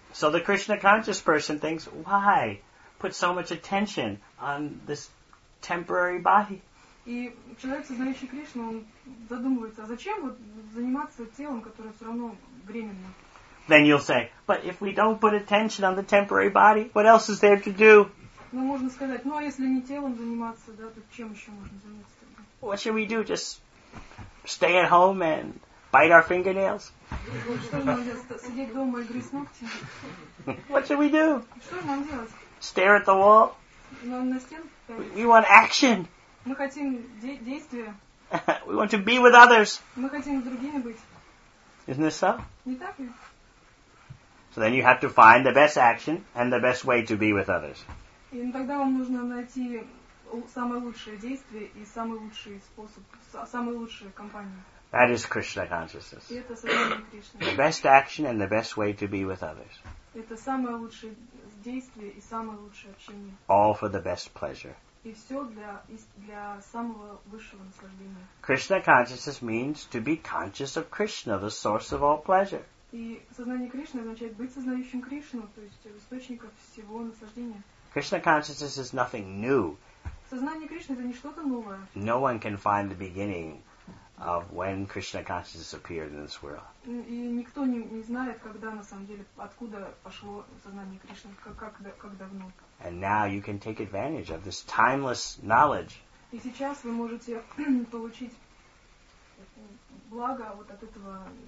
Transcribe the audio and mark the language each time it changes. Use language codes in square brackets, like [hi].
[en] So the Krishna conscious person thinks, why put so much attention on this temporary body? [ru] И человек, сознающий Кришну, он задумывается, а зачем вот заниматься телом, которое все равно временно? [en] Then you'll say, but if we don't put attention on the temporary body, what else is there to do? [ru] Ну, можно сказать, ну, а если не телом заниматься, да, то чем еще можно заниматься? [en] What should we do? Just stay at home and bite our fingernails? [ru] Что же нам делать? Сидеть дома и грызть ногти? [en] What should we do? [ru] Что же нам делать? [en] Stare at the wall? [ru] Ну, на стену. [en] We want action. [ru] Мы хотим действия. [en] We want to be with others. [ru] Мы хотим с другими быть. [en] Isn't this so? [ru] Не так ли? [en] So then you have to find the best action and the best way to be with others. [ru] И тогда вам нужно найти самое лучшее действие и самый лучший способ, самую лучшую компанию. [en] That is Krishna consciousness. [ru] И это сознание Кришны. [en] The best action and the best way to be with others. [ru] Это самое лучшее действие и самое лучшее общение. [en] All for the best pleasure. [ru] И все для самого высшего наслаждения. [en] Krishna consciousness means to be conscious of Krishna, the source of all pleasure. [ru] И сознание Кришны означает быть сознающим Кришну, то есть источником всего наслаждения. [en] Krishna consciousness is nothing new. [ru] Сознание Кришны это не что-то новое. [en] No one can find the beginning of when Krishna consciousness appeared in this world. [ru] И никто не знает, когда на самом деле откуда пошло сознание Кришны, как давно. [en] And now you can take advantage of this timeless knowledge. [ru] И сейчас вы можете получить благо вот от этого.